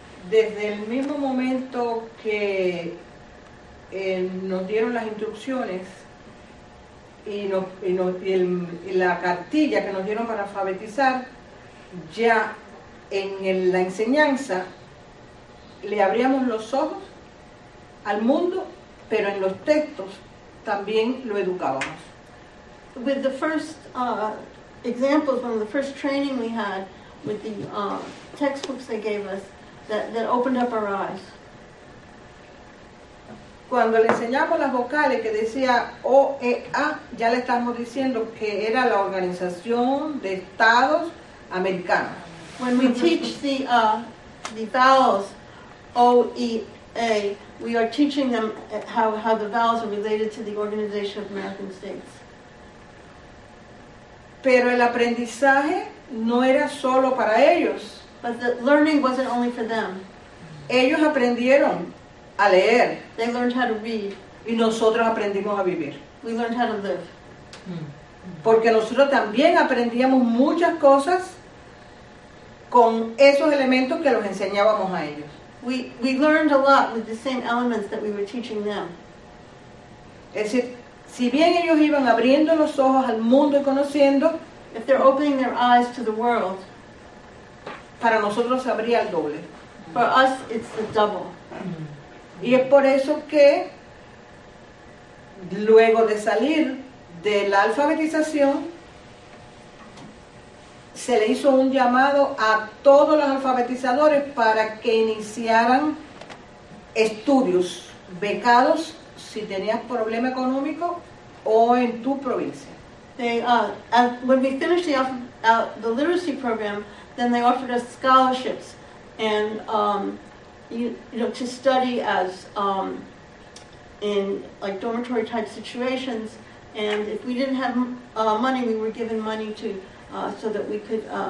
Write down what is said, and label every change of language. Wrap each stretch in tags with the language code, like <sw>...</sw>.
<es>Desde el mismo momento que nos dieron las instrucciones y la cartilla que nos dieron para alfabetizar, ya en la enseñanza le abríamos los ojos al mundo, pero en los textos también lo educábamos.</es> <en>With the first examples, one of the first training we had with the textbooks they gave us, that opened up our eyes.</en> <es>Cuando le enseñamos las vocales que decía OEA, ya le estamos diciendo que era la Organización de Estados Americanos.</es> <en>When we teach the vowels OEA, we are teaching them how the vowels are related to the Organization of American States.</en> <es>Pero el aprendizaje no era solo para ellos.</es> <en>But the learning wasn't only for them.</en> <es>Ellos aprendieron a leer.</es> <en>They learned how to read.</en> <es>Y nosotros aprendimos a vivir.</es> <en>We learned how to live.</en> <es>Porque nosotros también aprendíamos muchas cosas con esos elementos que los enseñábamos a ellos.</es> <en>We learned a lot with the same elements that we were teaching them.</en> <es>Es decir, si bien ellos iban abriendo los ojos al mundo y conociendo,</es> <en>if they're opening their eyes to the world,</en> <es>para nosotros se abría el doble.</es> <en>For us, it's the double.</en> <es>Y es por eso que luego de salir de la alfabetización se le hizo un llamado a todos los alfabetizadores para que iniciaran estudios becados si tenías problema económico o en tu provincia.</es> <en>When we finished the literacy program, then they offered us scholarships and you know to study as in like dormitory type situations, and if we didn't have money, we were given money to so that we could</en>